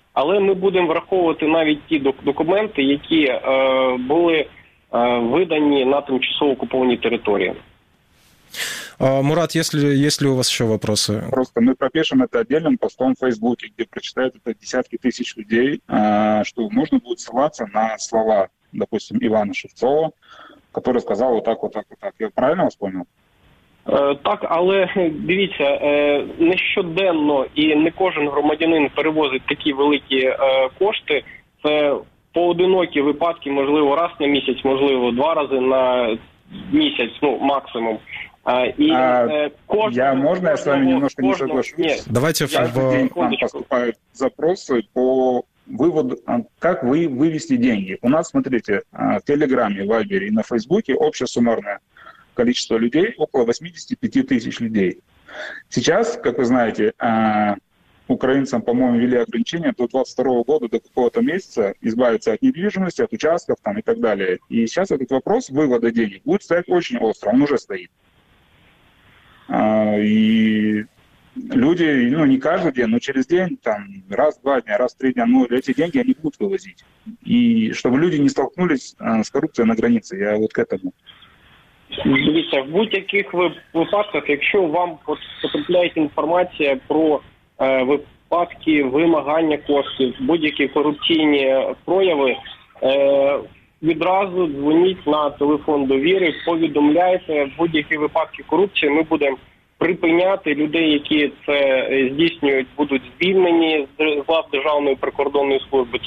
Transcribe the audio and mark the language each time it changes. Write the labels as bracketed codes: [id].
[uk] Але ми будемо враховувати навіть ті документи, які були видані на тимчасово окупованій території. [ru] Мурат, есть ли у вас еще вопросы? Просто мы пропишем это отдельным постом в Фейсбуке, где прочитают это десятки тысяч людей, что можно будет ссылаться на слова, допустим, Ивана Шевцова, который сказал вот так, вот так, вот так. Я правильно вас понял? [uk] Так, але дивіться, не щоденно і не кожен громадянин перевозить такі великі кошти. Це поодинокі випадки, можливо, раз на місяць, можливо, два рази на місяць, ну, максимум. [ru] Я [uk] з вами [ru] немножко не соглашусь? Давайте поступают запросы по выводу, как вывести деньги. У нас, смотрите, в Телеграме, в Вайбере и на Фейсбуке общая суммарная количество людей, около 85 тысяч людей. Сейчас, как вы знаете, украинцам, по-моему, ввели ограничения до 22 года, до какого-то месяца, избавиться от недвижимости, от участков там, и так далее. И сейчас этот вопрос вывода денег будет стоять очень остро, он уже стоит. И люди, ну, не каждый день, но через день, там, раз-два дня, раз-три дня, ну, эти деньги они будут вывозить. И чтобы люди не столкнулись с коррупцией на границе, я вот к этому. [uk] Дивіться, в будь-яких випадках, якщо вам потрапляється інформація про випадки вимагання коштів, будь-які корупційні прояви, відразу дзвоніть на телефон довіри, повідомляйте будь-які випадки корупції, ми будемо припиняти людей, які це здійснюють, будуть звільнені з лав Державної прикордонної служби.